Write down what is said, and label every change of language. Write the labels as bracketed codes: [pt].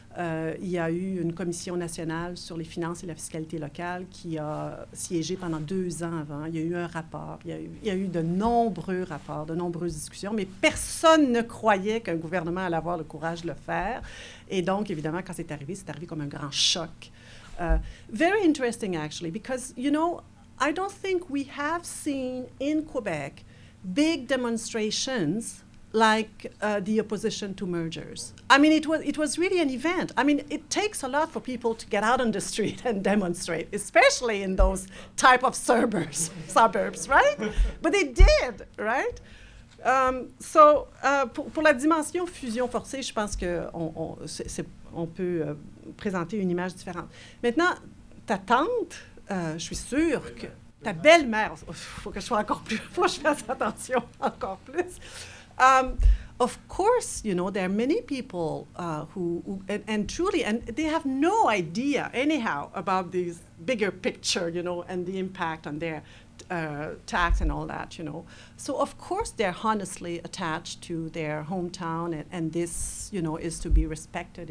[fr] Il y a eu une commission nationale sur les finances et la fiscalité locale qui a siégé pendant 2 ans avant. Il y a eu un rapport. Il y a eu de nombreux rapports, de nombreuses discussions, mais personne ne croyait qu'un gouvernement allait avoir le courage de le faire. Et donc, évidemment, quand c'est arrivé comme un grand choc. [en] Very interesting, actually, because, you know, I don't think we have seen in Quebec big demonstrations like the opposition to mergers. I mean, it was really an event. I mean, it takes a lot for people to get out on the street and demonstrate, especially in those type of suburbs, right? But they did, right? [fr] So, pour la dimension fusion forcée, je pense qu'on peut présenter une image différente. Maintenant, ta tante, je suis sûre que ta belle-mère, faut que je fasse attention encore plus. [en] Of course, you know, there are many people who, and truly, they have no idea anyhow about this bigger picture, you know, and the impact on their tax and all that, you know. So of course they're honestly attached to their hometown, and this, you know, is to be respected.